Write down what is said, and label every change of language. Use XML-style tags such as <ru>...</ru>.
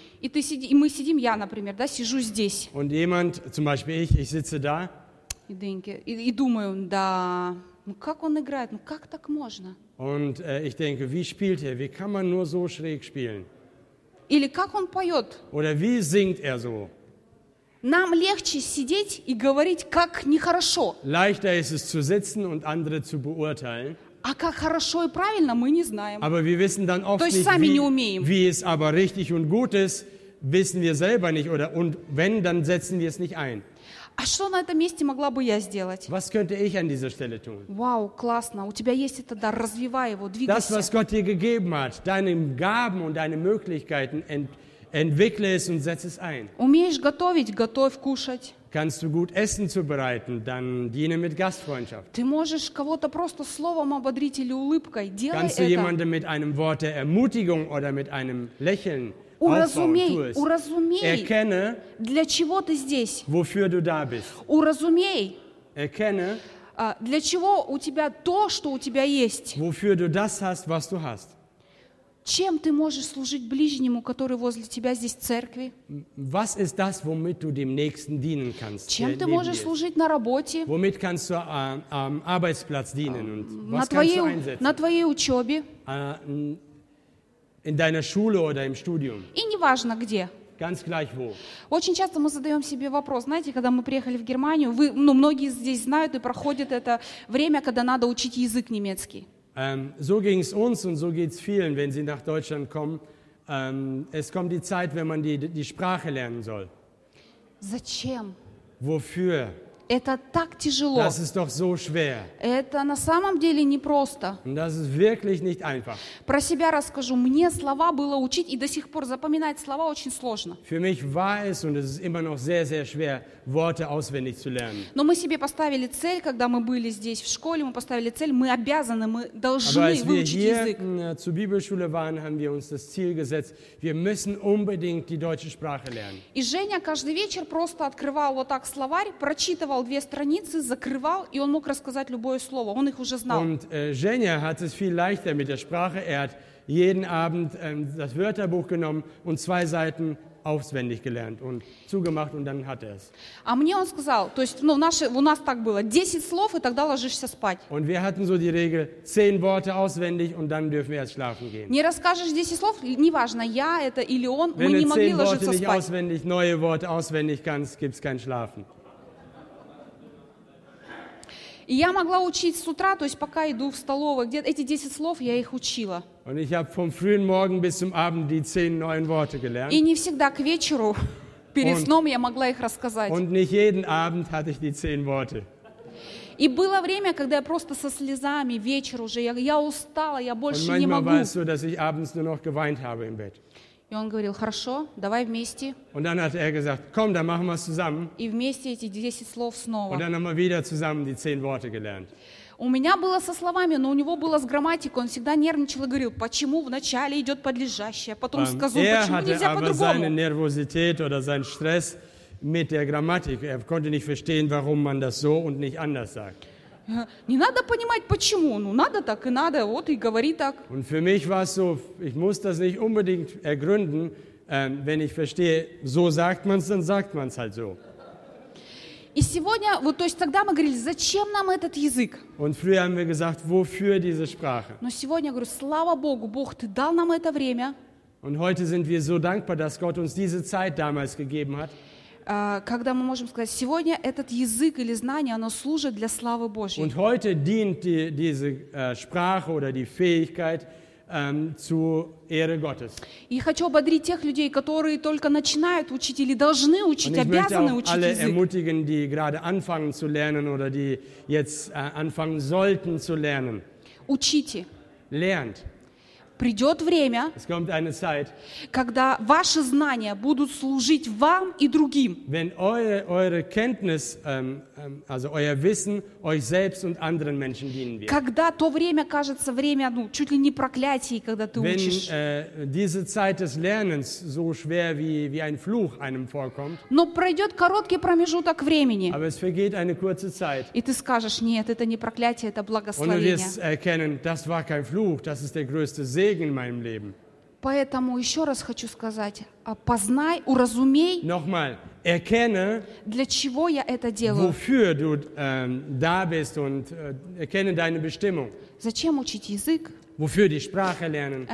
<ru>И ты сиди, и мы сидим, я, например, да, сижу здесь.</ru> <de>Und jemand, zum Beispiel ich sitze da.</de> <ru>И думаю, да, ну как он играет, ну как так можно?</ru> <de>Und ich denke, wie spielt er? Wie kann man nur so schräg spielen?</de> <ru>Или как он поет?</ru> <de>Oder wie singt er so?</de> <ru>Нам легче сидеть и говорить, как нехорошо.</ru> <de>Leichter ist es zu sitzen und andere zu beurteilen.</de> <ru>А как хорошо и правильно, мы не знаем.</ru> <de>Aber wir wissen dann oft nicht,</de> <ru>сами не умеем.</ru> <de>Wie es aber richtig und gut ist, wissen wir selber nicht. Oder und wenn, dann setzen wir es nicht ein.</de> <ru>А что на этом месте могла бы я сделать?</ru> <de>Was könnte ich an dieser Stelle tun?</de> <ru>Вау, классно, у тебя есть это дар, развивай его, двигайся.</ru> <de>Das, was Gott dir gegeben hat, deine Gaben und deine Möglichkeiten, entwickle es und setz es ein.</de> <ru>Умеешь готовить, готовь кушать.</ru> <de>Kannst du gut Essen zubereiten, dann diene mit Gastfreundschaft.</de> <ru>Ты можешь кого-то просто словом ободрить или улыбкой, делай это.</ru> <de>Kannst du jemanden mit einem Wort der Ermutigung oder mit einem Lächeln</de> <ru>Уразумей,</ru> <de>erkenne,</de> <ru>для чего ты здесь.</ru> <de>Wofür du da bist.</de> <ru>Уразумей,</ru> <de>erkenne,</de> <ru>для чего у тебя то, что у тебя есть.</ru> <de>Wofür du das hast, was du hast.</de> <ru>Чем ты можешь служить ближнему, который возле тебя здесь в церкви?</ru> <de>Was ist das, womit du dem Nächsten dienen kannst?</de> <ru>Чем ты можешь служить на работе?</ru> <de>Womit kannst du am Arbeitsplatz dienen? Und was kannst du einsetzen?</de> <ru>На твоей учебе?</ru> <de>In deiner Schule oder im Studium.</de> <ru>И неважно где.</ru> <de>Ganz gleich wo.</de> <ru>Очень часто мы задаем себе вопрос, знаете, когда мы приехали в Германию, вы, ну, многие здесь знают и проходят это время, когда надо учить язык немецкий.</ru> <de>So ging es uns und so geht es vielen, wenn sie nach Deutschland kommen. Es kommt die Zeit, wenn man die Sprache lernen soll.</de> <ru>Зачем?</ru> <de>Wofür?</de> <ru>Это так тяжело.</ru> <de>Das ist doch so schwer.</de> <ru>Это на самом деле непросто.</ru> <de>Das ist wirklich nicht einfach.</de> <ru>Про себя расскажу. Мне слова было учить, и до сих пор запоминать слова очень сложно.</ru> <de>Für mich war es, und es ist immer noch sehr, sehr schwer, Worte auswendig zu lernen.</de> <ru>Но мы себе поставили цель, когда мы были здесь в школе, мы поставили цель, мы обязаны, мы должны выучить язык.</ru> <de>Aber als wir hier zur Bibelschule waren, haben wir uns das Ziel gesetzt, wir müssen unbedingt die deutsche Sprache lernen.</de> <ru>И Женя каждый вечер просто открывал вот так словарь, прочитывал две страницы, закрывал, и он мог рассказать любое слово. Он их уже знал.</ru> <de>Und Женя hat es viel leichter mit der Sprache. Er hat jeden Abend das Wörterbuch genommen und zwei Seiten auswendig gelernt und zugemacht und dann hat er es.</de> <ru>А мне он сказал, то есть, ну, наши, у нас так было, 10 слов, и тогда ложишься спать.</ru> <de>Und wir hatten so die Regel, 10 Worte auswendig und dann dürfen wir erst schlafen gehen.</de> <ru>Не расскажешь 10 слов, неважно, я это или он, мы не могли ложиться спать.</ru> <de>Wenn du 10 Worte nicht auswendig, neue Worte auswendig kannst, gibt es kein Schlafen.</de> <ru>И я могла учить с утра, то есть пока иду в столовую, где эти 10 слов я их учила.</ru> <de>Und ich habe vom frühen Morgen bis zum Abend die 10 neuen Worte gelernt.</de> <ru>И не всегда к вечеру перед сном я могла их рассказать.</ru> <de>Und nicht jeden Abend hatte ich die 10 Worte.</de> <ru>И было время, когда я просто со слезами вечер уже я устала, я больше не могу.</ru> <de>Und manchmal war es so, dass ich abends nur noch geweint habe im Bett.</de> <ru>И он говорил: «Хорошо, давай вместе».</ru> <de>Und dann hat er gesagt: «Komm, dann machen wir's zusammen».</de> <ru>И вместе эти 10 слов снова.</ru> <de>Und dann haben wir wieder zusammen die 10 Worte gelernt.</de> <ru>У меня было со словами, но у него было с грамматикой. Он всегда нервничал и говорил: «Почему вначале идет подлежащее, потом сказу, почему нельзя по-другому?»</ru> <de>Er hatte aber seine Nervosität oder seinen Stress mit der Grammatik. Er konnte nicht verstehen, warum man das so und nicht anders sagt.</de> <ru>Не надо понимать, почему. Ну, надо так и надо, вот и говори так.</ru> <de>Und für mich war es so, ich muss das nicht unbedingt ergründen, wenn ich verstehe, so sagt man es, dann sagt man es halt so.</de> <ru>И сегодня, вот, то есть тогда мы говорили, зачем нам этот язык?</ru> <de>Und früher haben wir gesagt, wofür diese Sprache?</de> <ru>Но сегодня, говорю, слава Богу, Бог, ты дал нам это время.</ru> <de>Und heute sind wir so dankbar, dass Gott uns diese Zeit damals gegeben hat.</de> <ru>Когда мы можем сказать, сегодня этот язык или знание, оно служит для славы Божьей.</ru> <de>Und heute dient diese Sprache oder die Fähigkeit zur Ehre Gottes.</de> <ru>И хочу ободрить тех людей, которые только начинают учить или должны учить, обязаны учить язык.</ru> <de>Und ich möchte alle ermutigen, die gerade anfangen zu lernen oder die jetzt anfangen sollten zu lernen.</de> <ru>Учите.</ru> <de>Lernt.</de> <ru>Придет время,</ru> <de>es kommt eine Zeit,</de> <ru>когда ваши знания будут служить вам и другим.</ru> <de>Wenn eure Kenntnis, also euer Wissen, euch selbst und anderen Menschen dienen wird.</de> <ru>Когда то время кажется время, ну, чуть ли не проклятие, когда ты</ru> <de>wenn,</de> <ru>учишь.</ru> <de>Diese Zeit des Lernens so schwer wie ein Fluch einem vorkommt.</de> <ru>Но пройдет короткий промежуток времени.</ru> <de>Aber es vergeht eine kurze Zeit.</de> <ru>И ты скажешь: нет, это не проклятие, это благословение.</ru> <de>Und du wirst erkennen, das war kein Fluch, das ist der größte Segen in meinem Leben.</de> <ru>Поэтому еще раз хочу сказать: познай, уразумей.</ru> <de>Nochmal, erkenne.</de> <ru>Для чего я это делаю?</ru> <de>Wofür du da bist und erkenne deine Bestimmung.</de> <ru>Зачем учить язык?</ru> <de>Wofür die Sprache lernen?</de>